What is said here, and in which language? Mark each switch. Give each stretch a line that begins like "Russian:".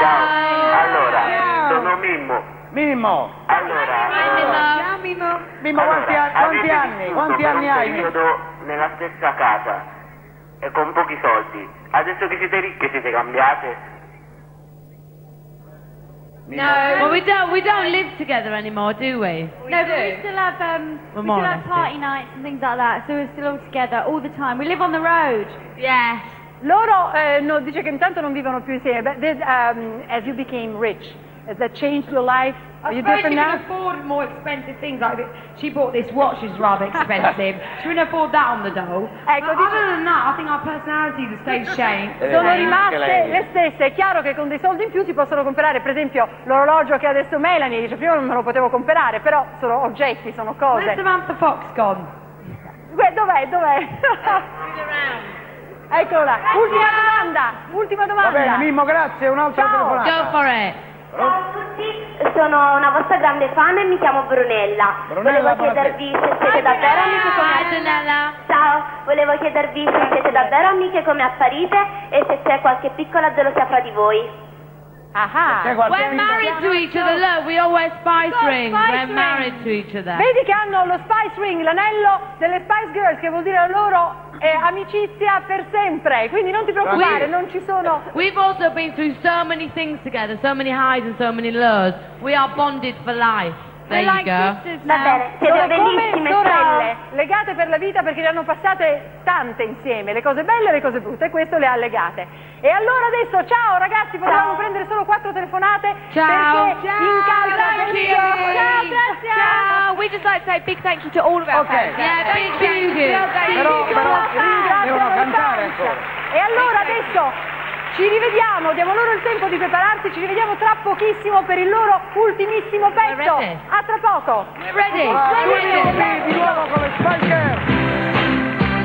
Italian: Ciao, allora, ciao. Sono Mimmo. Mimmo. Allora, Mimmo. Mimmo, quanti, allora, quanti anni? Quanti anni hai? Io sono nella stessa casa e con pochi soldi. Adesso che siete ricche siete cambiate?
English: No, well, we don't live together anymore, do we? No, but we still have party nights and things like that, so we're still all together all the time. We live on the road. Yeah.
Italian: Loro, no, dice che intanto non vivono più insieme.
English: But this, as you became rich, has that changed your life? Are you different now? I suppose you can afford more expensive things. Like she bought this watch, she's rather expensive. She wouldn't afford that on the dole.
Italian: Ecco, dice,
English: other than that, I think our personalities have stayed shame.
Italian: Sono rimaste le stesse. È chiaro che con dei soldi in più si possono comprare, per esempio, l'orologio che ha adesso Melanie. Dice, prima non me lo potevo comprare, però sono oggetti, sono cose.
English: Where's Samantha Fox gone?
Italian: Dov'è? Eccola, ultima domanda, ultima domanda. Va bene, Mimmo, grazie, un'altra telefonata.
English: Go for it.
Italian: Ciao a tutti, sono una vostra grande fan e mi chiamo Brunella. Brunella, volevo chiedervi se siete davvero amiche come Brunella. Ciao, volevo chiedervi se siete davvero amiche come apparite e se c'è qualche piccola gelosia fra di voi. Aha.
English: We're married to each other, look, we all wear spice rings. We're married to each other.
Italian: Vedi che hanno lo spice ring, l'anello delle Spice Girls, che vuol dire la loro amicizia per sempre. Quindi non ti preoccupare, non ci sono.
English: We've also been through so many things together, so many highs and so many lows. We are bonded for life. There you go.
Italian: Va bene, siete bellissime sorelle, legate per la vita, perché le hanno passate tante insieme, le cose belle e le cose brutte, e questo le ha legate. E allora adesso, ciao ragazzi, potevamo prendere solo quattro telefonate. Ciao. Perché in casa. Ciao, grazie. Ciao,
English: we just like to say big thank you to all of our fans. Yeah, big thank you.
Italian: Però ringraziamo la fans. E allora adesso ci rivediamo, diamo loro il tempo di prepararsi, ci rivediamo tra pochissimo per il loro ultimissimo pezzo. A tra poco.
English: We're ready.
Italian: Di nuovo con le Spice Girls.